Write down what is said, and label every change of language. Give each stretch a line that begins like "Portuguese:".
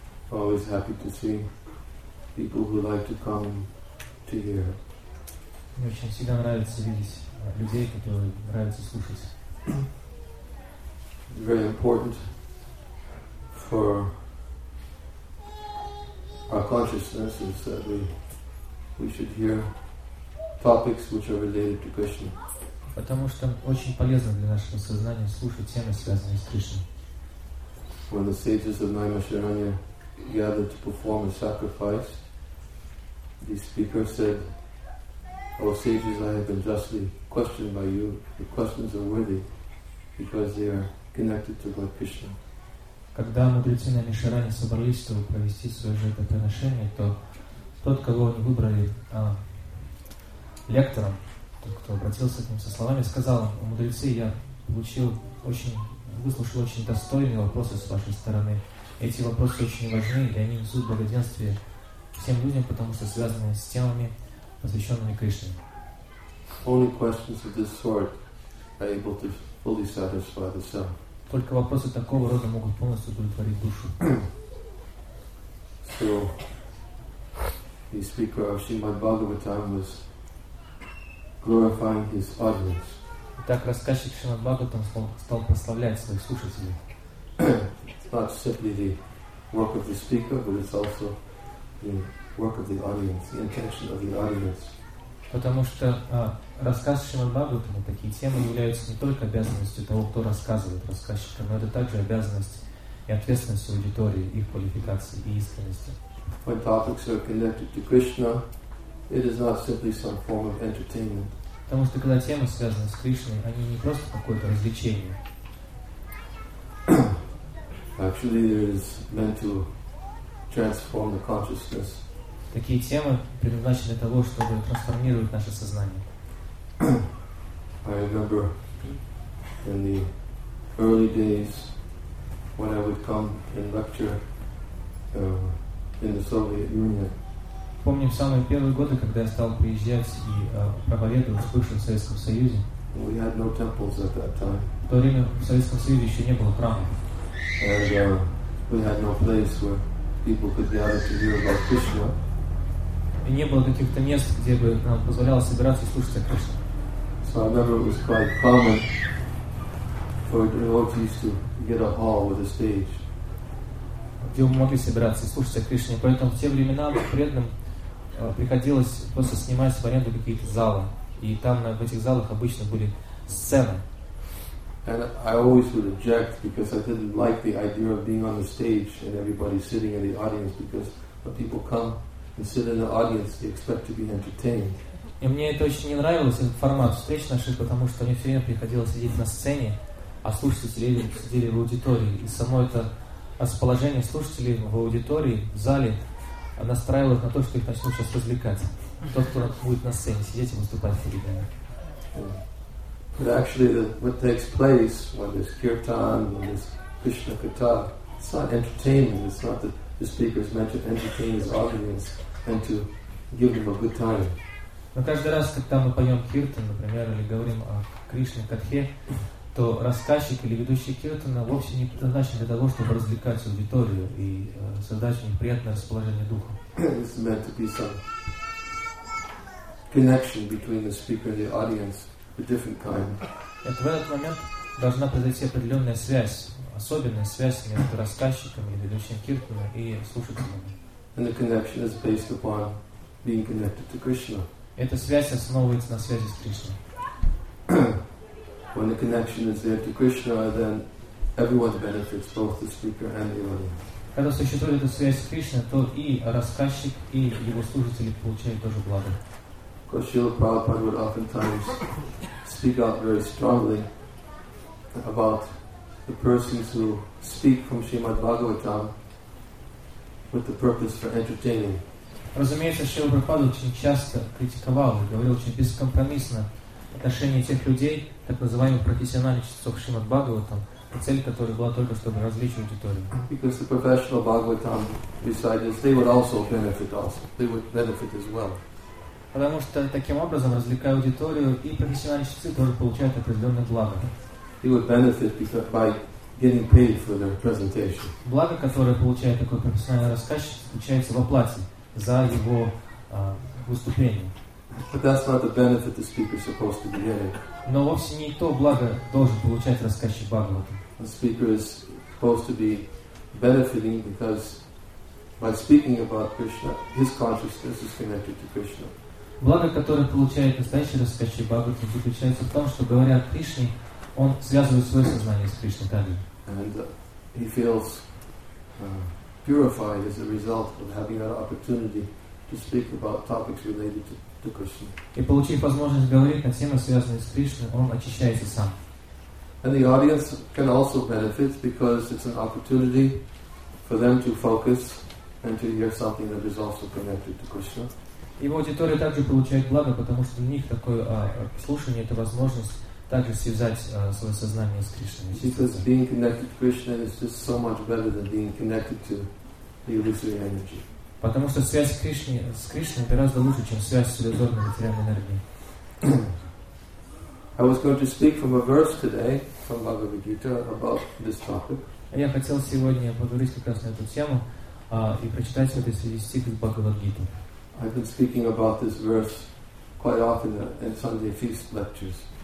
English: Always happy to see people who like to come to hear.
Russian: Мне очень всегда нравится видеть людей, которые нравятся слушать.
English: Very important for our consciousness is that we should hear topics which are related to Krishna.
Russian: Потому что очень полезно для нашего сознания слушать темы, связанные с Кришной.
English: When the sages of Naimasharanya gathered to perform a sacrifice, the speaker said, "O sages, I have been justly questioned by you. The questions are worthy because they are connected to Lord Krishna."
Russian: Когда мудрецы на Нишаране собрались, чтобы провести свое жертвоприношение, то тот, кого они выбрали лектором, тот, кто обратился к ним со словами, сказал: "О мудрецы, я выслушал очень достойные вопросы с вашей стороны. Эти вопросы очень важны, и они несут благоденствие всем людям, потому что связаны с темами, посвященными Кришне."
English: Only questions of this sort are able to fully satisfy the soul.
Russian: Только вопросы такого рода могут полностью удовлетворить душу.
English: So, the speaker of Srimad Bhagavatam was glorifying his audience.
Russian: Итак, рассказчик Шримад Бхагаватам стал прославлять своих слушателей.
English: It's not simply the work of the speaker, but it's also the work of the audience, the intention of the audience.
Russian: Потому что рассказ Шримад Бхагаватам, такие темы являются не только обязанностью того, кто рассказывает рассказчика, но это также обязанность и ответственность аудитории, их квалификации и искренности.
English: When topics are connected to Krishna, it is not simply some form of entertainment.
Russian: Потому что когда темы связаны с Кришной, они не просто какое-то развлечение.
English: Actually, it is meant to transform the consciousness.
Russian: Такие темы предназначены для того, чтобы трансформировать наше сознание.
English: I remember in the early days when I would come and lecture in the Soviet Union.
Russian: Помню самые первые годы, когда я стал приезжать и проповедовать в бывшем Советском Союзе.
English: We had no temples at that time.
Russian: В то время в Советском Союзе еще не было храмов.
English: And we had no place where people could gather to hear about Krishna.
Russian: И не было каких-то мест, где бы нам позволяло собираться и слушать о Кришне.
English: So I remember it was quite common for devotees to get a hall with a stage.
Russian: Где мы могли собираться и слушать о Кришне. Поэтому в те времена преданным приходилось просто снимать в аренду какие-то залы. И там в этих залах обычно были сцены.
English: And I always would object because I didn't like the idea of being on the stage and everybody sitting in the audience, because when people come and sit in the audience, they expect to be entertained.
Russian: И мне это очень не нравилось, этот формат встреч наших, потому что мне все время приходилось сидеть на сцене, а слушатели сидели в аудитории. И само это расположение слушателей в аудитории, в зале, настраивалось на то, что их начнут сейчас развлекать. Тот, кто будет на сцене сидеть и выступать перед ними.
English: But actually, what takes place when there's kirtan, when there's Krishna katha, it's not entertaining. It's not that the speaker is meant to entertain his audience and to give them a good time.
Russian: Но каждый раз, когда мы поем киртан, например, или говорим о Кришне Катхе, то рассказчик или ведущий киртана вовсе не предназначен для того, чтобы развлекать аудиторию и создать им приятное расположение духа.
English: It's meant to be some connection between the speaker and the audience, a different kind.
Russian: Это в этот момент должна произойти определенная связь, особенная связь между рассказчиком или ведущим киртана и слушателем.
English: And the connection is based upon being connected to Krishna.
Russian: Эта связь основывается на связи с Кришной.
English: When the connection is there to Krishna, then everyone benefits, both the speaker and the audience.
Russian: Когда существует эта связь с Кришной, то и рассказчик, и его слушатели получают тоже благо.
English: Because Srila Prabhupada would oftentimes speak out very strongly about the persons who speak from Srimad Bhagavatam with the purpose for entertaining.
Russian: Разумеется, Шрила Прабхупада очень часто критиковал и говорил очень бескомпромиссно отношение тех людей, так называемых профессиональных чтецов Шримад Бхагаватам, цель которой была только, чтобы развлечь аудиторию.
English: Because the professional Bhagavatam reciters, they would also, they would benefit as well.
Russian: Потому что таким образом, развлекая аудиторию, и профессиональные чтецы тоже получают определенное благо.
English: They would benefit because by getting paid for their presentation.
Russian: Благо, которое получает такой профессиональный рассказчик, заключается в оплате за его выступление.
English: But that's not the benefit the speaker is supposed to be getting.
Russian: Но вовсе не то благо должен получать рассказчик Бхагавата.
English: The speaker is supposed to be benefiting because by speaking about Krishna, his consciousness is connected to Krishna.
Russian: Благо, которое получает настоящий рассказчик Бхагавата, заключается в том, что говоря о Кришне, он связывает свое сознание с Кришной также.
English: And he feels purified as a result of having that opportunity to speak about topics related to Krishna.
Russian: И получив возможность говорить о темах, связанных с Кришной, он очищается сам.
English: And the audience can also benefit because it's an opportunity for them to focus and to hear something that is also connected to Krishna.
Russian: Его аудитория также получает благо, потому что для них такое слушание — это возможность также связать свое сознание с Кришной.
English: Because being connected to Krishna is just so much better than being connected to the illusory energy.
Russian: Потому что связь с Кришной гораздо лучше, чем связь с иллюзорной материальной энергией.
English: I was going to speak from a verse today from Bhagavad Gita about this topic.
Russian: Я хотел сегодня поговорить как раз на эту тему и прочитать этот стих из Бхагавад Гиты.
English: I've been speaking about this verse quite often in Sunday feast lectures.